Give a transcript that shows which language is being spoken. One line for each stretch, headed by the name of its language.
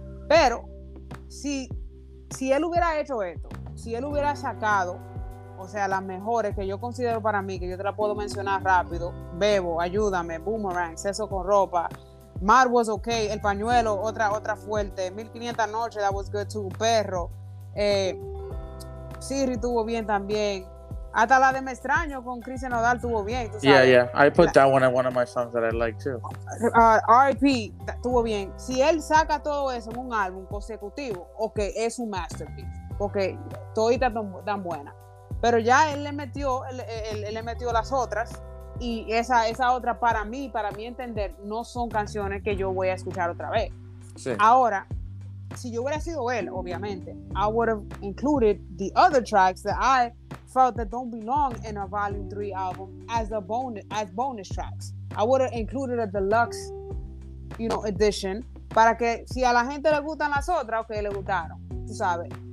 Spanish: Pero si él hubiera hecho esto, si él hubiera sacado, o sea, las mejores que yo considero para mí, que yo te la puedo mencionar rápido, Bebo, Ayúdame, Boomerang, Sexo con Ropa, Mar Was Okay, El Pañuelo, otra fuerte, 1500 Noches, That Was Good Too, Perro, Siri tuvo bien también, hasta la de Me Extraño con Cristian Nodal tuvo bien, ¿tú sabes?
English: Yeah, yeah, I put that one in one of my songs that I like too.
Spanish: R.I.P. tuvo bien. Si él saca todo eso en un álbum consecutivo, ok, es un masterpiece, porque todita tan buena. Pero ya él le metió las otras, y esa otra, para mi entender, no son canciones que yo voy a escuchar otra vez. Sí. Ahora, si yo hubiera sido él, obviamente,
English: I would have included the other tracks that I felt that don't belong in a Volume 3 album as bonus tracks. I would have included a deluxe, you know, edition,
Spanish: para que si a la gente le gustan las otras, ok, le gustaron, tú sabes.